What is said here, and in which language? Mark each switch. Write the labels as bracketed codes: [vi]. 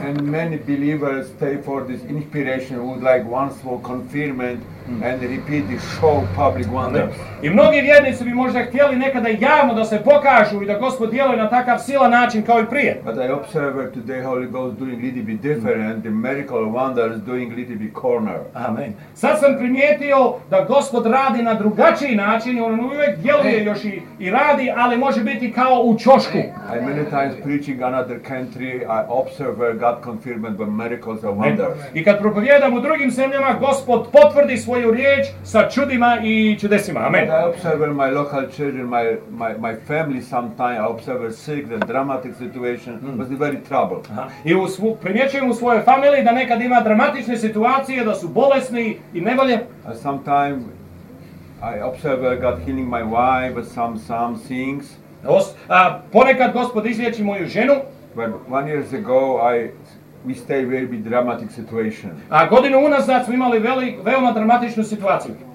[en] And many believers stay for this inspiration would like once more confirm and repeat the show public wonders. [bs] I mnogi vjernici bi možda htjeli nekada javno da se pokažu i da Gospod djeluje na takav silan način kao i prije. [en] But I observe today Holy Ghost doing little bit different, the miracle wonders doing little bit corner. Amen. [bs] Sad sam primijetio da Gospod radi na drugačiji način, on uvijek djeluje još i radi, ali može biti kao u ćošku. [en] I many times preaching another country, I observe God confirmed by miracles and wonders. [bs] I kad propovjedam u drugim zemljama, Gospod potvrdi svoju riječ sa čudima i čudesima. Amen. [en] I observe my local children, my family sometimes, I observe sick, the dramatic situation, but it's very troubled. [bs] I primjećujem u svojoj familiji da nekad ima dramatične situacije, da su bolesni i nevolje. [en] Sometimes I observe God healing my wife with some things. [bs] Ponekad Gospod izliječi moju ženu. [en] But 1 year ago we stayed very big dramatic situation. [bs] A godinu unazad smo imali veoma dramatičnu situaciju.